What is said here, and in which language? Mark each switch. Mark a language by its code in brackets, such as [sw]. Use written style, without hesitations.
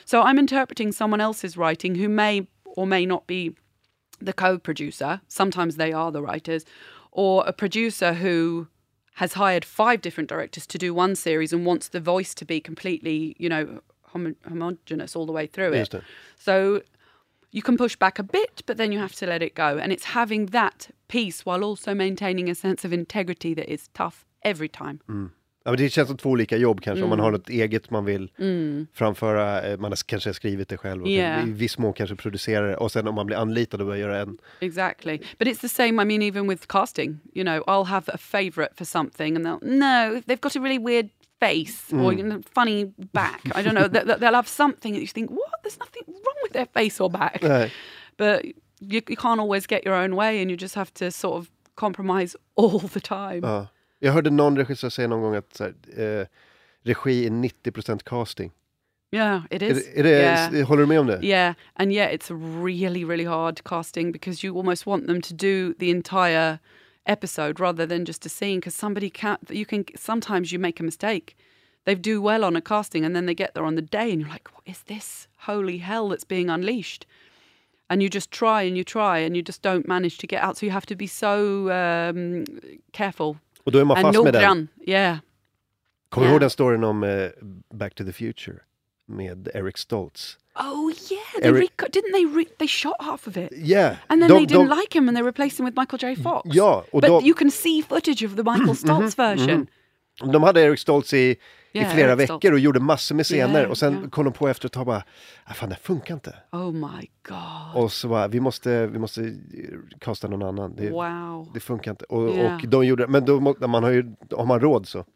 [en] So I'm interpreting someone else's writing who may or may not be the co-producer, sometimes they are the writers, or a producer who has hired 5 different directors to do one series and wants the voice to be completely, you know, homogenous all the way through it. So you can push back a bit, but then you have to let it go. And it's having that peace while also maintaining a sense of integrity that is tough every time. Mm. [sv] Ja, men det känns som 2 olika jobb kanske, om man har något eget man vill framföra, man kanske har skrivit det själv och i viss mån kanske producerar det, och sen om man blir anlitad och börjar göra en. [en] Exactly, but it's the same, I mean, even with casting, you know, I'll have a favorite for something and they've got a really weird face or funny back, I don't know, they'll have something that you think, what, there's nothing wrong with their face or back. Right. But you can't always get your own way and you just have to sort of compromise all the time. [sv] Jag hörde någon regissör säga någon gång att så här, regi är 90% casting. [en] Yeah, it is. [sv] Håller du med om det? [en] Yeah, and yet it's really, really hard casting because you almost want them to do the entire episode rather than just a scene. Because sometimes you make a mistake. they do well on a casting, and then they get there on the day and you're like, what is this holy hell that's being unleashed? And you just try and you try and you just don't manage to get out. So you have to be so careful. [sv] Och då är man fast med den. [en] Yeah. [sv] Kommer du ihåg den storyn om Back to the Future med Eric Stoltz? [en] Oh yeah, they shot half of it. Yeah. And then they didn't like him and they replaced him with Michael J. Fox. [sv] Ja, och [en] but you can see footage of the Michael Stoltz version. Mm-hmm. [sv] De hade Eric Stoltz i flera Eric veckor Stoltz. Och gjorde massor med scener och sen kom de på efter att ta bara, fan det funkar inte. [en] Oh my god. [sv] Och så bara, vi måste kasta någon annan. Det, wow. Det funkar inte. Och de gjorde, men då man har ju, har man råd så.